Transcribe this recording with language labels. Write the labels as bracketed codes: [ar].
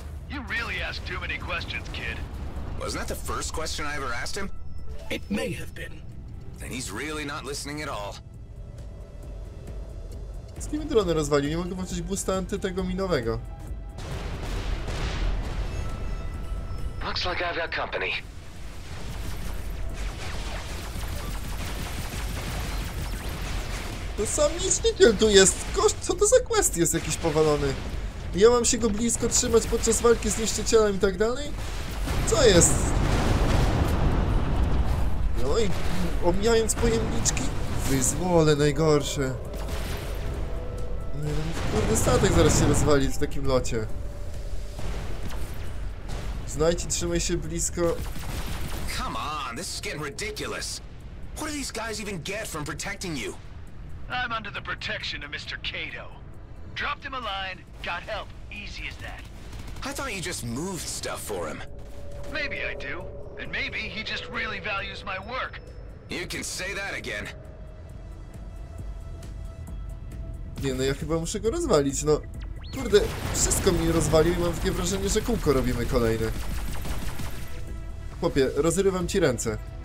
[en] You really ask too many questions, kid. Wasn't that the first question I ever asked him? It may have been. Then he's really not listening at all. [pl] Z kim drony rozwalił? Nie mogę włączyć boosta antytego minowego. [en] Looks like I've got company. [pl] To sam niszczyciel tu jest. Co to za quest jest jakiś powalony? Ja mam się go blisko trzymać podczas walki z niszczycielem i tak dalej? Co jest? No i omijając pojemniczki? Wyzwolę najgorsze. Kurde, statek zaraz się rozwali w takim locie. Znajdź i trzymaj się blisko. [en] Come on, this is getting ridiculous. What do these guys even get from protecting you? I'm under the protection of Mr. Kato. Dropped him a line, got help. Easy as that. I thought you just moved stuff for him. Maybe I do. And maybe he just really values my work. You can say that again. [pl] Nie, no ja chyba muszę go rozwalić, no. Kurde, wszystko mi rozwalił i mam takie wrażenie, że kółko robimy kolejne. Chłopie, rozrywam ci ręce.